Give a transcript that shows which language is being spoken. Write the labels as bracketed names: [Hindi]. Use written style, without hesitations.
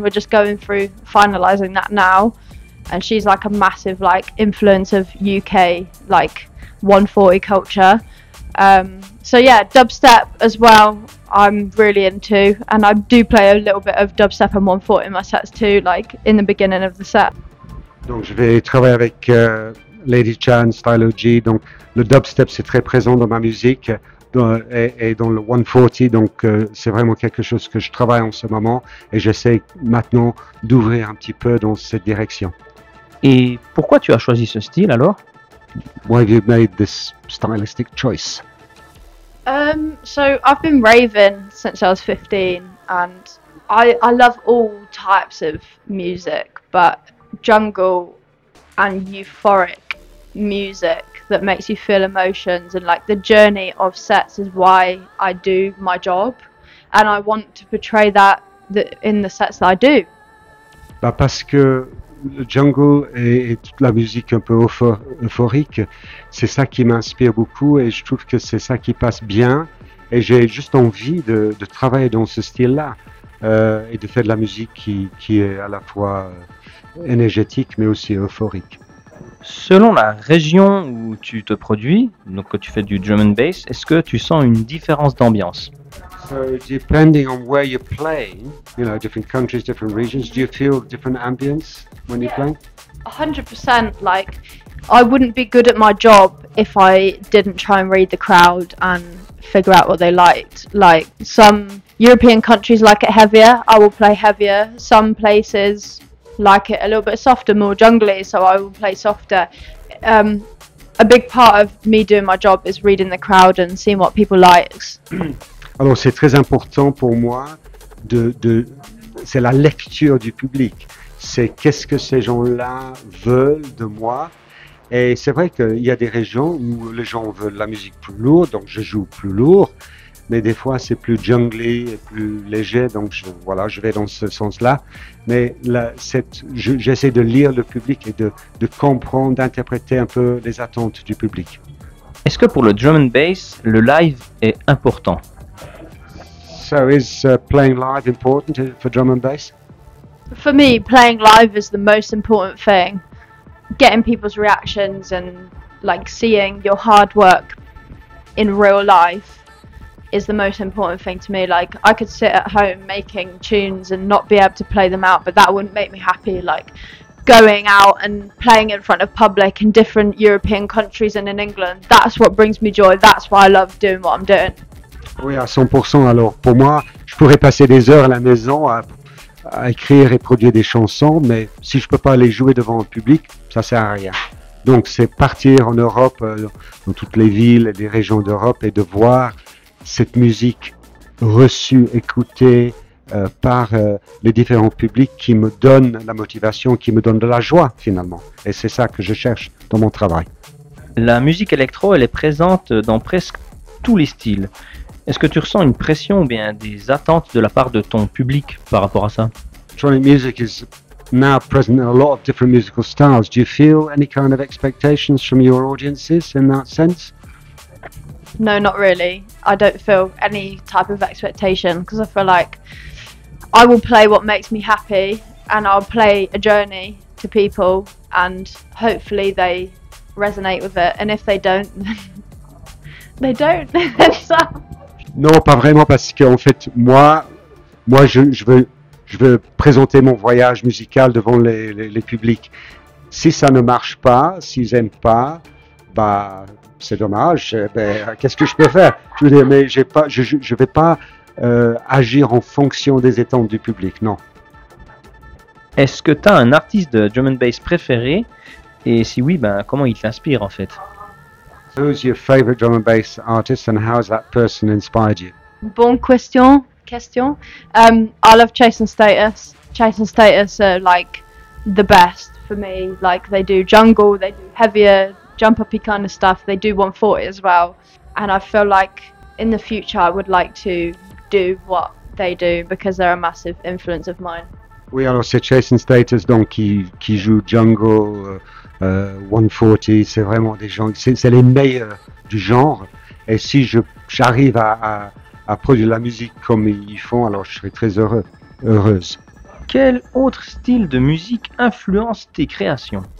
[English] We're just going through finalizing that now. And she's like a massive like influence of UK like 140 culture. Dubstep as well, I'm really into. And I do play a little bit of dubstep and 140 in my sets too, like in the beginning of the set. [French] Donc je vais travailler avec Lady Chan, Stylo G. Donc le dubstep, c'est très présent dans ma musique, et dans le 140, donc c'est vraiment quelque chose que je travaille en ce moment, et j'essaie maintenant d'ouvrir un petit peu dans cette direction. Et pourquoi tu as choisi ce style alors? [English] Why have you made this stylistic choice? I've been raving since I was 15, and I love all types of music, but jungle and euphoric music that makes you feel emotions and like the journey of sets is why I do my job, and I want to portray that in the sets that I do. [French] Bah parce que le jungle et toute la musique un peu euphorique, c'est ça qui m'inspire beaucoup, et je trouve que c'est ça qui passe bien, et j'ai juste envie de travailler dans ce style là et de faire de la musique qui est à la fois énergétique mais aussi euphorique. Selon la région où tu te produis, donc que tu fais du drum and bass, est-ce que tu sens une différence d'ambiance? [English] So, depending on where you play, you know, different countries, different regions, do you feel different ambience when you play? 100%. Like, I wouldn't be good at my job if I didn't try and read the crowd and figure out what they liked. Like, some European countries like it heavier, I will play heavier. Some places like it a little bit softer, more jungly, so I will play softer. A big part of me doing my job is reading the crowd and seeing what people like. [French] Alors c'est très important pour moi c'est la lecture du public. C'est qu'est-ce que ces gens-là veulent de moi. Et c'est vrai qu'il y a des régions où les gens veulent la musique plus lourde, donc je joue plus lourd. Mais des fois, c'est plus jungly et plus léger, donc je vais dans ce sens-là. Mais j'essaie de lire le public et de comprendre, d'interpréter un peu les attentes du public. Est-ce que pour le drum and bass, le live est important? [English] So is playing live important for drum and bass? For me, playing live is the most important thing. Getting people's reactions and like seeing your hard work in real life is the most important thing to me. Like, I could sit at home making tunes and not be able to play them out, but that wouldn't make me happy. Like, going out and playing in front of public in different European countries and in England, that's what brings me joy. That's why I love doing what I'm doing. [French] Oui, à 100%. Alors, pour moi, je pourrais passer des heures à la maison à écrire et produire des chansons, mais si je ne peux pas les jouer devant le public, ça ne sert à rien. Donc, c'est partir en Europe, dans toutes les villes et les régions d'Europe, et de voir cette musique reçue, écoutée par les différents publics qui me donnent la motivation, qui me donnent de la joie, finalement. Et c'est ça que je cherche dans mon travail. La musique électro, elle est présente dans presque tous les styles. Est-ce que tu ressens une pression ou bien des attentes de la part de ton public par rapport à ça? [English] Electronic music is now present in a lot of different musical styles. Do you feel any kind of expectations from your audiences in that sense? No, not really. I don't feel any type of expectation because I feel like I will play what makes me happy and I'll play a journey to people and hopefully they resonate with it. And if they don't, they don't. [French] Non, pas vraiment, parce qu'en fait, moi je veux présenter mon voyage musical devant les publics. Si ça ne marche pas, s'ils n'aiment pas, bah, c'est dommage. Bah, qu'est-ce que je peux faire? Je veux dire, mais je ne vais pas agir en fonction des attentes du public, non. Est-ce que tu as un artiste de drum and bass préféré? Et si oui, bah, comment il t'inspire en fait? [English] Who's your favorite drum and bass artist and how has that person inspired you? [French] Bonne question. [English] I love Chase and Status. Chase and Status are like the best for me. Like they do jungle, they do heavier, jump uppy kind of stuff. They do 140 as well. And I feel like in the future I would like to do what they do because they're a massive influence of mine. [French] Oui, alors c'est Chase and Status donc qui joue jungle. 140, c'est vraiment des gens, c'est les meilleurs du genre. Et si j'arrive à produire la musique comme ils font, alors je serai très heureuse. Quel autre style de musique influence tes créations?